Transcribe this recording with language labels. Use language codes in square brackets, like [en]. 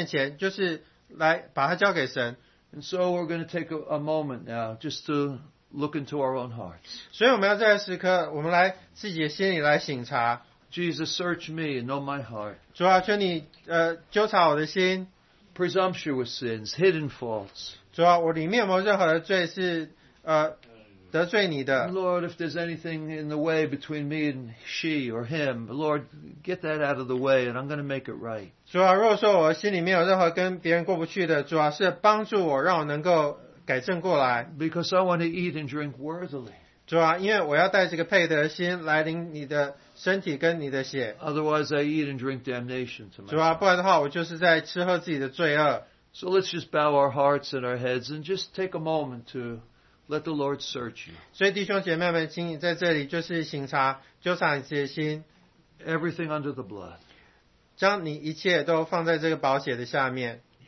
[zh] 所以那个使徒保罗就是说，如果你心里有任何过不去的，你就来到神的面前，就是来把它交给神。 [en] And so we're going to take a moment now just to look into our own hearts. [zh] 所以我们要在这个时刻，我们来自己的心里来省察。 [en] Jesus, search me and know my heart. [zh] 主啊，求你纠察我的心。 [en] Presumptuous sins, hidden faults. [zh] 主啊，我里面有没有任何的罪是得罪你的？ [en] Lord, if there's anything in the way between me and she or him, Lord, get that out of the way, and I'm going to make it right. [zh] 主啊，如果说我心里面有任何跟别人过不去的，主啊，是帮助我，让我能够。改正过来。 [en] Because I want to eat and drink worthily. [zh] 主啊，因为我要带这个配得的心来领你的身体跟你的血。 [en] Otherwise, I eat and drink damnation to myself. [zh] 主啊，不然的话，我就是在吃喝自己的罪恶。 [en] So let's just bow our hearts and our heads and just take a moment to let the Lord search you. [zh] 所以弟兄姐妹们，请你在这里就是省察，纠察你自己的心。 [en] Everything under the blood. [zh] 将你一切都放在这个宝血的下面。